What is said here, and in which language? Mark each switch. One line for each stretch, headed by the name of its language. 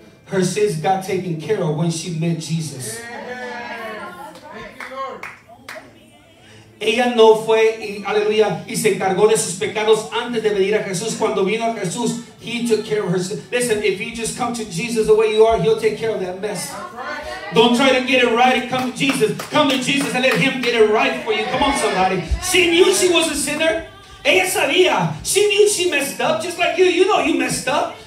English: Her sins got taken care of when she met Jesus.
Spanish: Ella no fue, aleluya, y se encargó de sus pecados antes de venir a Jesús. Cuando vino a Jesús,
English: he took care of her sin. Listen, if you just come to Jesus the way you are, he'll take care of that mess. Don't try to get it right and come to Jesus. Come to Jesus and let him get it right for you. Come on, somebody. She knew she was a sinner.
Spanish: Ella sabía.
English: She knew she messed up just like you. You know you messed up.